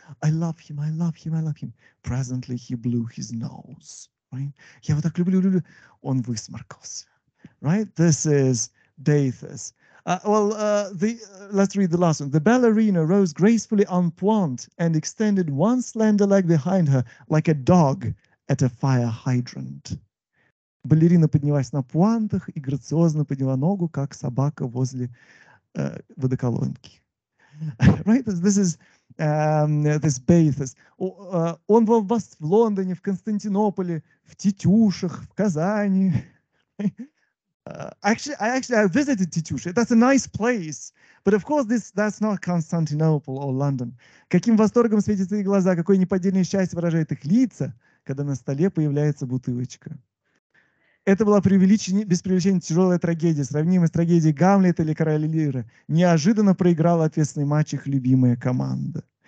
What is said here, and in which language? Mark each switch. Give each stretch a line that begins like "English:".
English: I love him. Presently, he blew his nose, right?
Russian: Я вот так люблю, люблю. Он высморкался,
English: right? This is Bathos. Let's read the last one. The ballerina rose gracefully en pointe and extended one slender leg behind her like a dog at a fire hydrant.
Russian: Балерина поднялась на пуантах и грациозно подняла ногу, как собака возле водоколонки.
English: Right? This is Bathos.
Russian: Он был у вас в Лондоне, в Константинополе, в Тетюшах, в Казани.
English: I visited Tetyusha. That's a nice place. But of course, that's not Constantinople or London.
Russian: Каким восторгом светятся их глаза, какое неподдельное счастье выражает их лица, когда на столе появляется бутылочка. Это была без преувеличения тяжелая трагедия, сравнимая с трагедией Гамлета или Короля Лира. Неожиданно проиграла ответственный матч их любимая команда.